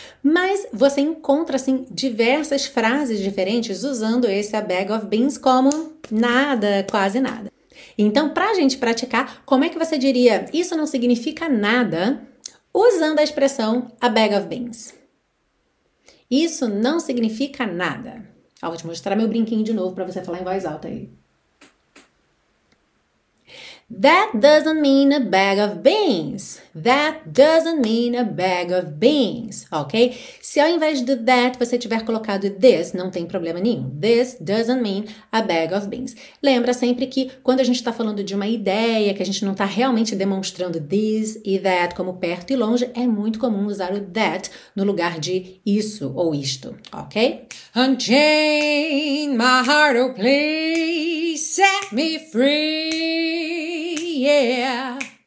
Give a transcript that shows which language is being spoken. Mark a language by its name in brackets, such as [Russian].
[Portuguese] Mas você encontra, assim, diversas frases diferentes usando esse a bag of beans como nada, quase nada. Então, pra gente praticar, como é que você diria isso não significa nada usando a expressão a bag of beans? Isso não significa nada. Ó, vou te mostrar meu brinquinho de novo pra você falar em voz alta aí. [English] That doesn't mean a bag of beans. That doesn't mean a bag of beans, ok? [Portuguese] Se ao invés do that você tiver colocado this, não tem problema nenhum. [English] This doesn't mean a bag of beans. [Portuguese] Lembra sempre que quando a gente está falando de uma ideia, que a gente não está realmente demonstrando this e that como perto e longe, é muito comum usar o that no lugar de isso ou isto, ok? [English] Unchain my heart, oh please, set me free, yeah.